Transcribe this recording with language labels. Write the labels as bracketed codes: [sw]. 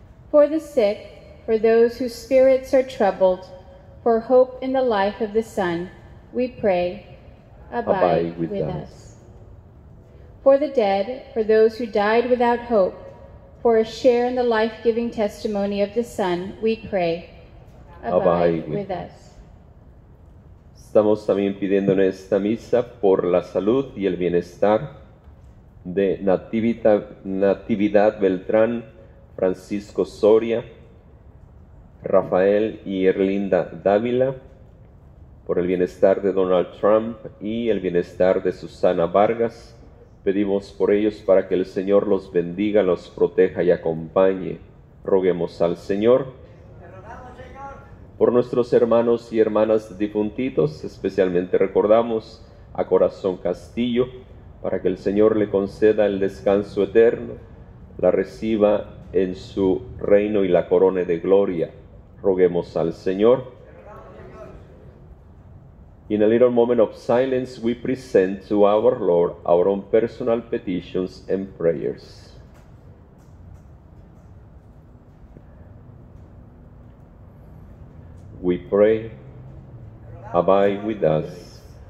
[en] For the sick, for those whose spirits are troubled, for hope in the life of the Son, we pray, abide with us. For the dead, for those who died without hope, for a share in the life-giving testimony of the Son, we pray, abide with us. [es] Estamos también pidiendo en esta misa por la salud y el bienestar de Natividad Beltrán, Francisco Soria, Rafael y Erlinda Dávila, por el bienestar de Donald Trump y el bienestar de Susana Vargas. Pedimos por ellos para que el Señor los bendiga, los proteja y acompañe. Roguemos al Señor. Por nuestros hermanos y hermanas difuntitos, especialmente recordamos a Corazón Castillo, para que el Señor le conceda el descanso eterno, la reciba en su reino y la corone de gloria. Roguemos al Señor. [en] In a little moment of silence, we present to our Lord our own personal petitions and prayers. We pray, abide with us.